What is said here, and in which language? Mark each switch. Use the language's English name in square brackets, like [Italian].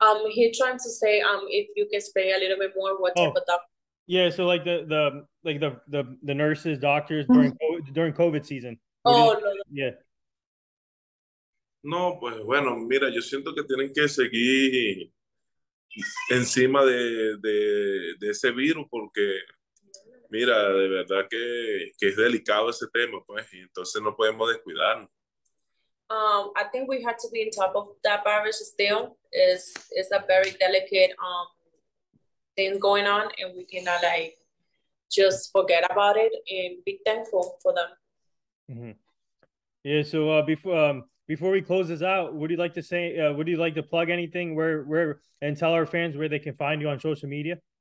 [English] He's trying to say if you can explain a little bit more what type of doctor. Yeah, so like the nurses, doctors during COVID season. [Spanish] No, pues bueno, mira, yo siento que tienen que seguir encima de ese virus porque, mira, de verdad que es delicado ese tema, pues, y entonces no podemos descuidarnos. [English] I think we have to be on top of that virus still. It's a very delicate thing going on, and we cannot, like, just forget about it and be thankful for them. Mm-hmm. Yeah, so before we close this out, would you like to say, would you like to plug anything where and tell our fans where they can find you on social media?